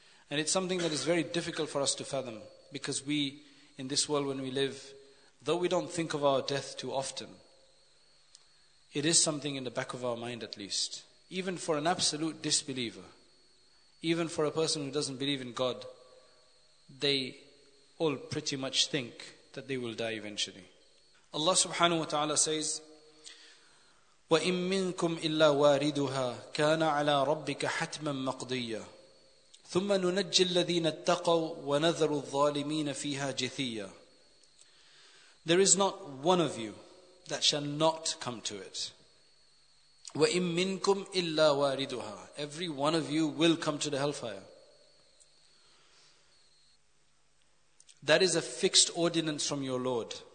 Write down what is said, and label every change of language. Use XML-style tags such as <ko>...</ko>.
<en>And it's something that is very difficult for us to fathom, because we, in this world when we live, though we don't think of our death too often, it is something in the back of our mind at least. Even for an absolute disbeliever, even for a person who doesn't believe in God, they all pretty much think that they will die eventually. Allah subhanahu wa ta'ala says,</en> <ar>وَإِن مِّنكُمْ إِلَّا وَارِدُهَا كَانَ عَلَىٰ رَبِّكَ حَتْمًا مَقْضِيًّا ثُمَّ نُنَجِّ الَّذِينَ اتَّقَوْا وَنَذَرُ الظَّالِمِينَ فِيهَا جِثِيًّا.</ar> <en>There is not one of you that shall not come to it.</en> <ar>وَإِن مِّنكُمْ إِلَّا وَارِدُهَا.</ar> <en>Every one of you will come to the hellfire. That is a fixed ordinance from your Lord.</en>